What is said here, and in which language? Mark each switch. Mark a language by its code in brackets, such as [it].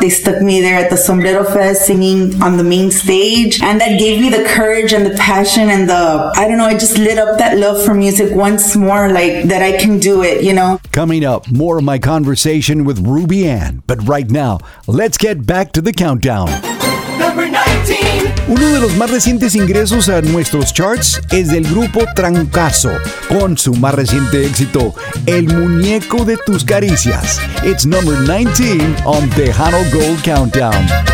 [en] They stuck me there at the Sombrero Fest singing on the main stage. And that gave me the courage and the passion and it just lit up that love for music once more, like that I can do it, you know? Coming up, more of my conversation with Ruby Ann. But right now, let's get back to the countdown. Number 19. [es] Uno de los más recientes ingresos a nuestros charts es del grupo Trancazo, con su más reciente éxito, El Muñeco de Tus Caricias. [en] It's number 19 on Tejano Gold Countdown.